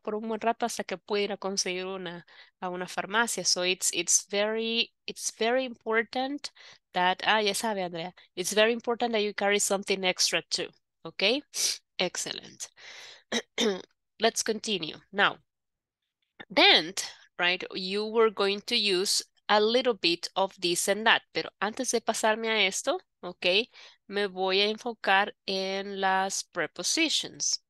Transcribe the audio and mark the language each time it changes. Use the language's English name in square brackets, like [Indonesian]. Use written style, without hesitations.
[Spanish] Por un buen rato hasta que pude ir a conseguir una farmacia. [English] So it's very important that, [Spanish] ya sabe, [English] Andrea. It's very important that you carry something extra too. Okay? Excellent. Let's continue. Now, then, right, you were going to use a little bit of this and that. [Spanish] Pero antes de pasarme a esto, okay, me voy a enfocar en las prepositions.